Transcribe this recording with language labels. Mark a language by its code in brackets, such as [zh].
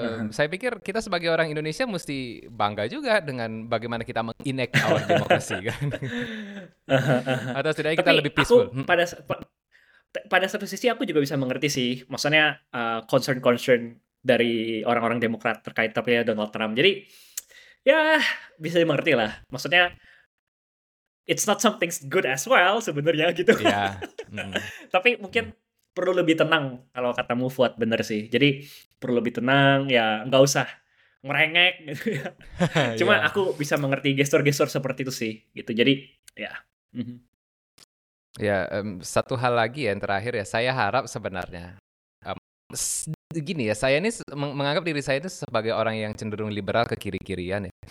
[id] Saya pikir kita sebagai orang Indonesia mesti bangga juga dengan bagaimana kita [en] meng-enact our [id] demokrasi, kan? Atau setidaknya kita lebih peaceful. Pada satu sisi aku juga bisa mengerti sih, maksudnya concern-concern dari orang-orang Demokrat terkait terpilihnya Donald Trump. Jadi, ya bisa dimengerti lah. Maksudnya, [en] it's not something good as well [id] sebenarnya gitu. [en] Yeah. [id] Tapi mungkin perlu lebih tenang kalau katamu Fuad, bener sih. Jadi perlu lebih tenang, ya nggak usah merengek gitu ya. Cuma aku bisa mengerti gestur-gestur seperti itu sih gitu. Jadi ya. Ya, satu hal lagi yang terakhir ya, saya harap sebenarnya gini ya, saya ini menganggap diri saya itu sebagai orang yang cenderung liberal ke kiri-kirian ya.